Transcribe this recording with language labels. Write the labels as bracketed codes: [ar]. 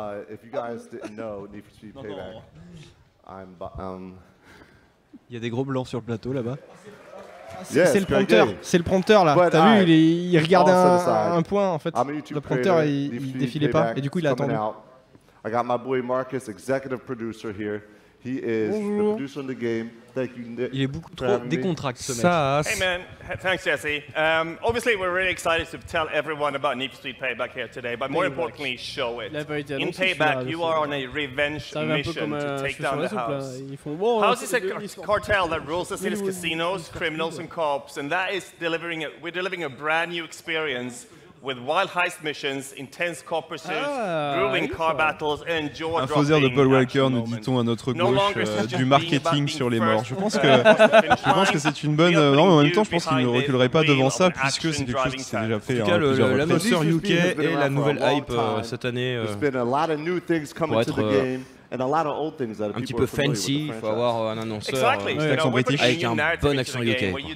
[en] If you guys didn't know Need for Speed Payback, I'm. [fr] Il y a des gros blancs sur le plateau là-bas. C'est le prompteur. C'est le prompteur là. T'as vu, il regardait un point en fait. Le prompteur, il défilait pas et du coup il a attendu. [en] I got my boy Marcus, executive producer here. He is the producer of the game. [fr] Il est beaucoup trop décontracté ce mec. [en] Hey man, thanks Jesse. Obviously we're really excited to tell everyone about Need for Speed Payback here today, but more importantly, show it. In Payback, you are on a revenge mission to take down the house. House is a cartel that rules the city's casinos, criminals and cops, and that is delivering it. We're delivering a brand new experience with wild heist missions, intense car pursuits, grueling car battles, and jaw-dropping. [fr] Un faiseur de Paul Walker, nous dit-on à notre gauche, du marketing sur les morts. Je pense que c'est une bonne. Non, mais en même temps, je pense qu'il ne reculerait pas devant ça, puisque c'est quelque chose qui s'est déjà fait. En tout cas, le moteur UK est la nouvelle hype cette année. Un petit peu fancy, il faut avoir un annonceur avec un bon accent UK.